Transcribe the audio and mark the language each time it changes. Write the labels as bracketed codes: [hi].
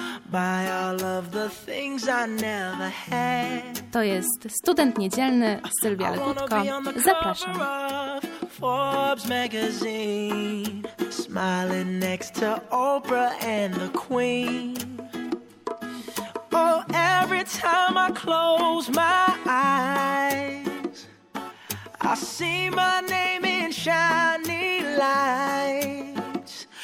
[en] By all of the things I never had. [pl] To jest Student Niedzielny, Sylwia Legutko. Zapraszam. [en] Forbes magazine, smiling next to Oprah and the Queen. Oh, every time I close my eyes, I see my name in shiny lights.